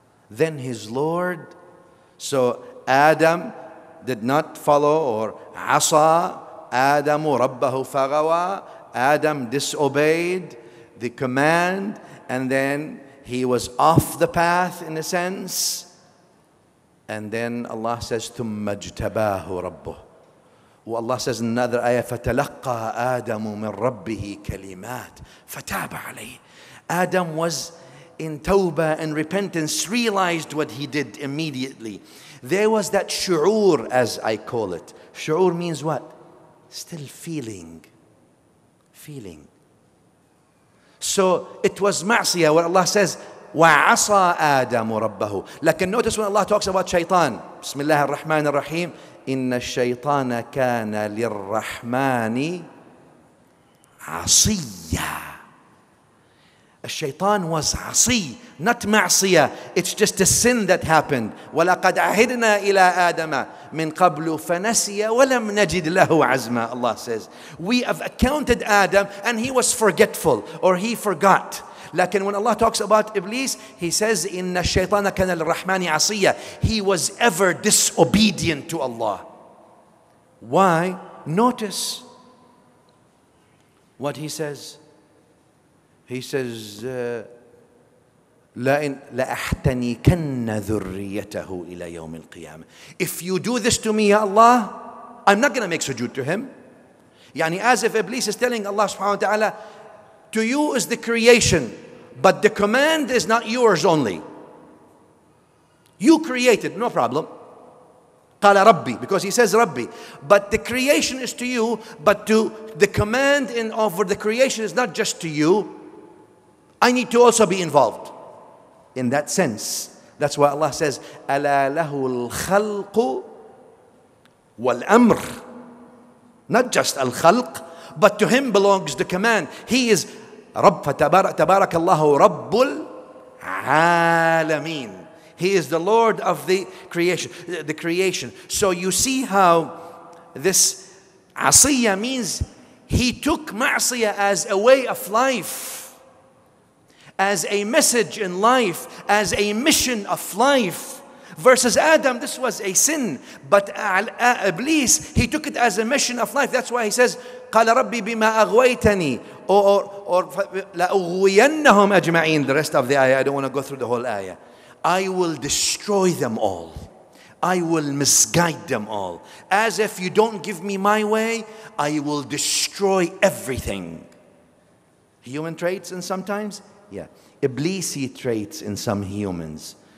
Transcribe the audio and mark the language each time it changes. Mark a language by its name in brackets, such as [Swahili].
[English] Then his Lord, so Adam did not follow, or [Arabic] عَصَى آدَمُ رَبَّهُ فَغَوَى. [English] Adam disobeyed the command and then he was off the path in a sense. And then Allah says, [Arabic] ثُمَّ اجْتَبَاهُ رَبُّهُ. [English] Allah says in another ayah, [Arabic] فَتَلَقَّى آدَمُ مِنْ رَبِّهِ كَلِمَاتٍ فَتَابَ عَلَيْهِ. [English] Adam was in tawbah and repentance, realized what he did immediately. There was that shu'ur, as I call it. Shu'ur means what? Still feeling. Feeling. So it was ma'siyah where Allah says, [Arabic] وَعَصَى آدَمُ رَبَّهُ. لكن [English] notice when Allah talks about shaitan, [Arabic] بسم الله الرحمن الرحيم, إِنَّ الشَّيْطَانَ كَانَ لِلرَّحْمَانِ عَصِيَّا. A الشيطان was عصي, not معصية. [English] It's just a sin that happened. [Arabic] وَلَقَدْ عَهِدْنَا إِلَىٰ آدَمَ مِنْ قَبْلُ فَنَسِيَ وَلَمْ نَجِدْ لَهُ عَزْمًا. [English] Allah says, we have accounted Adam and he was forgetful, or he forgot. لكن when Allah talks about Iblis, he says, [Arabic] إِنَّ الشَّيْطَانَ كَانَ الرَّحْمَانِ عَصِيَّ. [English] He was ever disobedient to Allah. Why? Notice what he says. He says, [Arabic] لَأَحْتَنِكَنَّ ذُرِّيَّتَهُ إِلَى يَوْمِ الْقِيَامَةِ. [English] If you do this to me, Ya Allah, I'm not going to make sujood to him. Yani, as if Iblis is telling Allah subhanahu wa ta'ala, to you is the creation, but the command is not yours only. You created, no problem. [Arabic] قَالَ رَبِّي, [English] because he says رَبِّي. But the creation is to you, but to the command in over the creation is not just to you. I need to also be involved. In that sense, that's why Allah says, [Arabic] أَلَا لَهُ الْخَلْقُ وَالْأَمْرُ. [English] Not just الخلق, but to him belongs the command. He is [Arabic] رَبَّ فَتَبَارَكَ اللَّهُ رَبُّ الْعَالَمِينَ. [English] He is the Lord of the creation. The creation. So you see how this asiyah means he took ma'asiyah as a way of life, as a message in life, as a mission of life. Versus Adam, this was a sin. But Iblis, he took it as a mission of life. That's why he says, [Arabic] قَالَ رَبِّي بِمَا أَغْوَيْتَنِي [English] or [Arabic] لَأُغْوِيَنَّهُمْ أَجْمَعِينَ. [English] The rest of the ayah, I don't want to go through the whole ayah. I will destroy them all. I will misguide them all. As if you don't give me my way, I will destroy everything. Human traits in sometimes? Yeah. Iblisi traits in some humans.